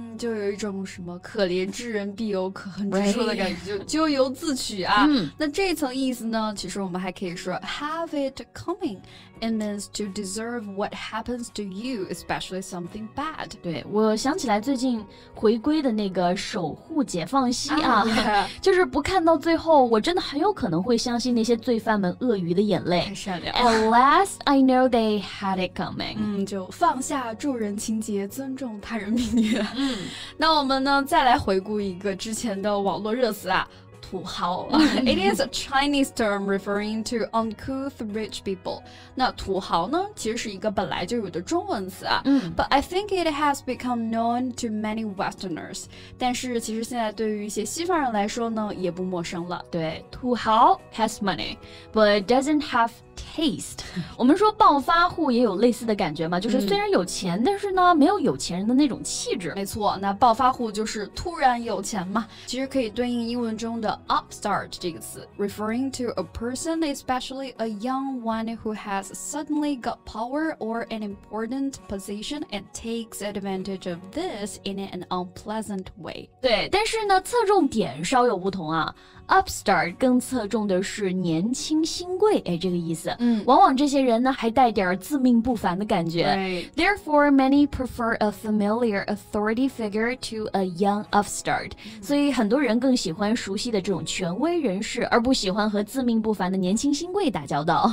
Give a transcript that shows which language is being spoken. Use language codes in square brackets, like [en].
[zh] 就有一种什么可怜之人必有可恨之处的感觉、咎由自取啊、那这层意思呢其实我们还可以说 [en] have it coming it means to deserve what happens to you especially something bad [zh] 对我想起来最近回归的那个守护解放西啊、 [en] oh, yeah. [zh] 就是不看到最后我真的很有可能会相信那些罪犯们鳄鱼的眼泪太善良 [en] at last I know they had it coming、 [zh] 就放下助人情节尊重他人命运那我们呢再来回顾一个之前的网络热词啊土豪、 [en] It is a Chinese term referring to uncouth rich people [zh] 那土豪呢其实是一个本来就有的中文词啊、 [en] But I think it has become known to many westerners [zh] 但是其实现在对于一些西方人来说呢也不陌生了对土豪 [en] has money but doesn't haveTaste [zh] 我们说暴发户也有类似的感觉嘛就是虽然有钱、但是呢没有有钱人的那种气质没错那暴发户就是突然有钱嘛其实可以对应英文中的 [en] upstart 这个词 referring to a person especially a young one who has suddenly got power or an important position and takes advantage of this in an unpleasant way [zh] 对但是呢侧重点稍有不同啊 upstart 更侧重的是年轻新贵，哎，这个意思。嗯，往往这些人呢还带点自命不凡的感觉。对。 [en] Therefore, many prefer a familiar authority figure to a young upstart.、 [zh] 嗯、所以很多人更喜欢熟悉的这种权威人士，而不喜欢和自命不凡的年轻新贵打交道。